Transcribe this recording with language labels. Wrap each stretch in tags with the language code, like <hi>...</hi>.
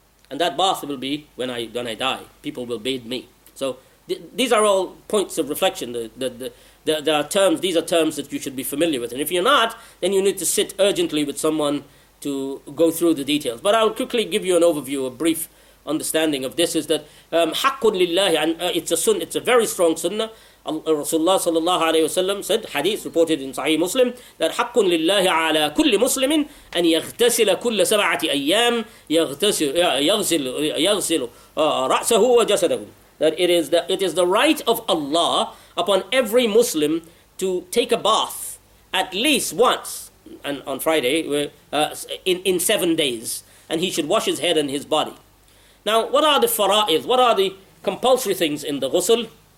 <en>And that bath will be when I die. People will bathe me. So these are all points of reflection. These are terms that you should be familiar with. And if you're not, then you need to sit urgently with someone to go through the details. But I'll quickly give you an overview, a brief understanding of this, is that</en> <ar>حَقٌ لِلَّهِ</ar> <en>it's a very strong sunnah. Rasulullah sallallahu alayhi wa sallam said, hadith reported in Sahih Muslim, that</en> <ar>حَقٌ لِلَّهِ عَلَى كُلِّ مُسْلِمٍ أَنْ يَغْتَسِلَ كُلَّ سَبَعَةِ أَيَّامٍ يَغْسِلُ رَأْسَهُ وَجَسَدَهُ.</ar> <en>That it is the right of Allah upon every Muslim to take a bath at least once, and on Friday, in 7 days, and he should wash his head and his body. Now, what are the fara'id? What are the compulsory things in the ghusl?</en>